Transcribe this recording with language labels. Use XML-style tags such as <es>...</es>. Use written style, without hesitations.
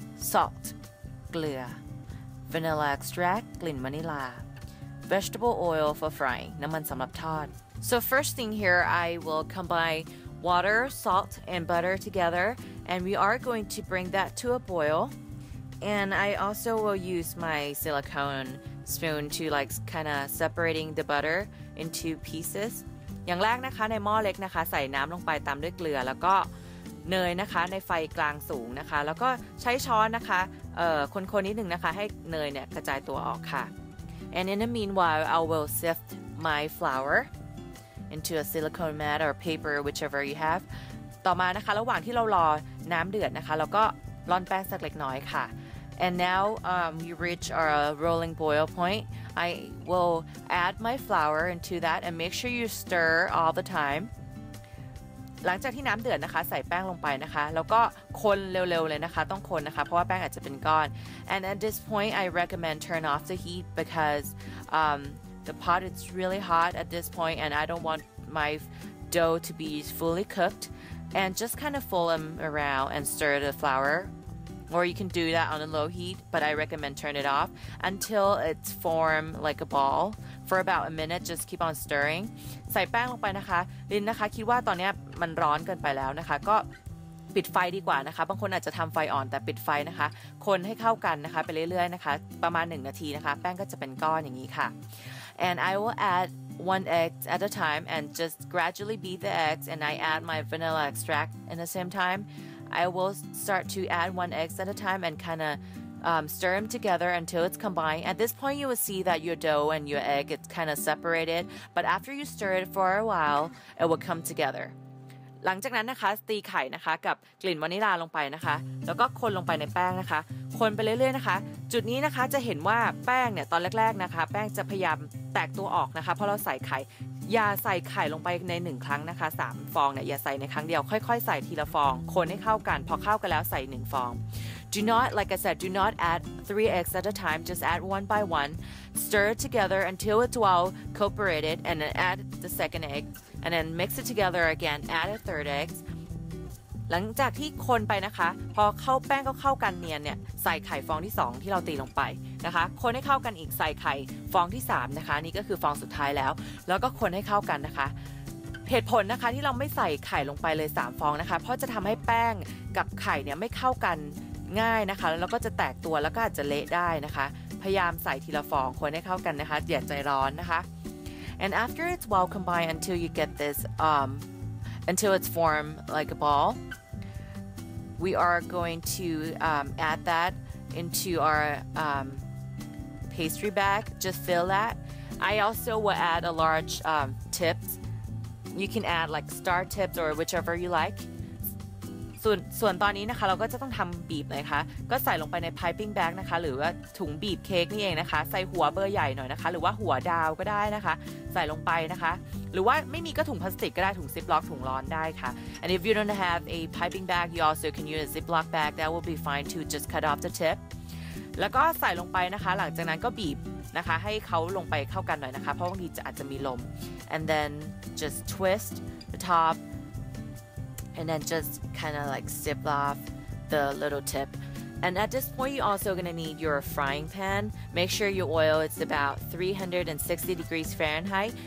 <en>salt</en> <th>เกลือ</th> <en>vanilla extract</en> <th>กลิ่นวานิลา</th> <en>vegetable oil for frying</en> <th>น้ำมันสำหรับทอด</th> <en>so first thing here I will combine water salt and butter together and we are going to bring that to a boil and I also will use my silicone spoon to like kind of separating the butter into pieces.</en> <th>อย่างแรกนะคะในหม้อเล็กนะคะใส่น้ำลงไปตามด้วยเกลือแล้วก็เนยนะคะในไฟกลางสูงนะคะแล้วก็ใช้ช้อนนะคะคนๆนิดนึงนะคะให้เนยเนี่ยกระจายตัวออกค่ะ</th> <en>And in the meanwhile, I will sift my flour into a silicone mat or paper whichever you have.</en> <th>ต่อมานะคะระหว่างที่เรารอน้ำเดือดนะคะแล้วก็ร่อนแป้งสักเล็กน้อยค่ะ</th> <en>And now you reach our rolling boil point. I will add my flour into that and make sure you stir all the time.</en> <th>หลังจากที่น้ำเดือดนะคะใส่แป้งลงไปนะคะแล้วก็คนเร็วๆเลยนะคะต้องคนนะคะเพราะว่าแป้งอาจจะเป็นก้อน</th> <en>And at this point, I recommend turn off the heat because the pot is really hot at this point and I don't want my dough to be fully cooked. And just kind of fold them around and stir the flour. Or you can do that on a low heat, but I recommend turn it off until it's form like a ball for about a minute. Just keep on stirring.</en> <th>ใส่แป้งลงไปนะคะลินนะคะคิดว่าตอนนี้มันร้อนเกินไปแล้วนะคะก็ปิดไฟดีกว่านะคะบางคนอาจจะทำไฟอ่อนแต่ปิดไฟนะคะคนให้เข้ากันนะคะไปเรื่อยๆนะคะประมาณ1นาทีนะคะแป้งก็จะเป็นก้อนอย่างนี้ค่ะ</th> <en>And I will add one egg at a time and just gradually beat the eggs and I add my vanilla extract in the same time. I will start to add one egg at a time and kind of stir them together until it's combined. At this point, you will see that your dough and your egg it's kind of separated. But after you stir it for a while, it will come together.</en> <th>หลังจากนั้นนะคะตีไข่นะคะกับกลิ่นวานิลาลงไปนะคะแล้วก็คนลงไปในแป้งนะคะคนไปเรื่อยๆนะคะจุดนี้นะคะจะเห็นว่าแป้งเนี่ยตอนแรกๆนะคะแป้งจะพยายามแตกตัวออกนะคะเพราะเราใส่ไข่อย่าใส่ไข่ลงไปใน1ครั้งนะคะ3ฟองเนี่ยอย่าใส่ในครั้งเดียวค่อยๆใส่ทีละฟองคนให้เข้ากันพอเข้ากันแล้วใส่1ฟอง</th> <en>Do not like I said do not add 3 eggs at a time just add one by one stir it together until it's well cooperated and then add the second egg and then mix it together again add a third egg</en> <th>หลังจากที่คนไปนะคะพอเข้าแป้งก็เข้ากันเนียนเนี่ยใส่ไข่ฟองที่2ที่เราตีลงไปนะคะคนให้เข้ากันอีกใส่ไข่ฟองที่3นะคะนี่ก็คือฟองสุดท้ายแล้วแล้วก็คนให้เข้ากันนะคะเหตุผลนะคะที่เราไม่ใส่ไข่ลงไปเลย3ฟองนะคะเพราะจะทําให้แป้งกับไข่เนี่ยไม่เข้ากันง่ายนะคะแล้วก็จะแตกตัวแล้วก็อาจจะเละได้นะคะพยายามใส่ทีละฟองคนให้เข้ากันนะคะอย่าใจร้อนนะคะ</th> <en>And after it's well combined until you get this until it's formed like a ball we are going to add that into our pastry bag just fill that I also will add a large tip you can add like star tips or whichever you like</en> <th>ส่วนตอนนี้นะคะเราก็จะต้องทำบีบนะคะก็ใส่ลงไปใน piping bag นะคะหรือว่าถุงบีบเค้กนี่เองนะคะใส่หัวเบอร์ใหญ่หน่อยนะคะหรือว่าหัวดาวก็ได้นะคะใส่ลงไปนะคะหรือว่าไม่มีก็ถุงพลาสติกก็ได้ถุงซิปล็อกถุงร้อนได้ค่ะ</th> <en>and if you don't have a piping bag you also can use a ziploc bag that will be fine to just cut off the tip</en> <th>แล้วก็ใส่ลงไปนะคะหลังจากนั้นก็บีบนะคะให้เขาลงไปเข้ากันหน่อยนะคะเพราะบางทีจะอาจจะมีลม</th> <en>and then just twist the top and then just kind of like zip off the little tip And at this point, you're also going to need your frying pan. Make sure your oil is about 360 degrees Fahrenheit.</en>